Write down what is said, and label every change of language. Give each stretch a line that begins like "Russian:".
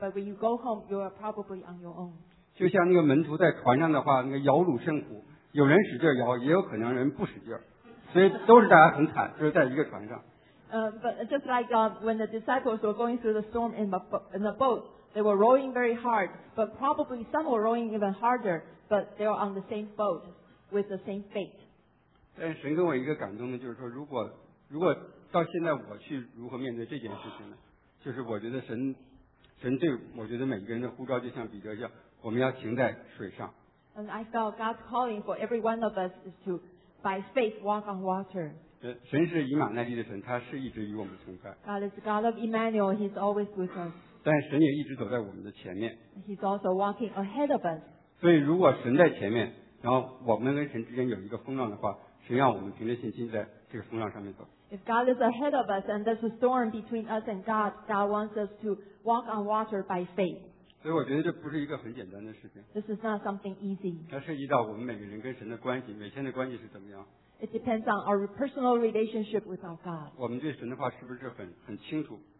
English: But when you go home, you are probably on your own.
Chinese: 就像那个门徒在船上的话，那个摇橹甚苦，有人使劲摇，也有可能人不使劲，所以都是大家很惨，就是在一个船上。
English: But just like when the disciples were going through the storm in the boat, they were rowing very hard. But probably some were rowing even harder. But they were on the same boat with the same fate.
Chinese: 但神给我一个感动的就是说，如果到现在我去如何面对这件事情呢？就是我觉得神对我觉得每个人的呼召就像彼得一样，我们要行在水上。
English: And I felt God's calling for every one of us is to by faith walk on water.
Chinese: 神是以马内利的神，他是一直与我们同在。
English: God is God of Emmanuel, He's always with us.
Chinese: 但神也一直走在我们的前面。
English: He's also walking ahead of us.
Chinese: 所以如果神在前面，然后我们跟神之间有一个风浪的话，神让我们凭着信心在这个风浪上面走。
English: If God is ahead of us and there's a storm between us and God, God wants us to walk on water by faith.
Chinese: 所以我觉得这不是一个很简单的事情。
English: This is not something easy.
Chinese: 它涉及到我们每个人跟神的关系，每天的关系是怎么样。
English: It depends on our personal relationship with our God.
Chinese: 我们对神的话是不是很清楚？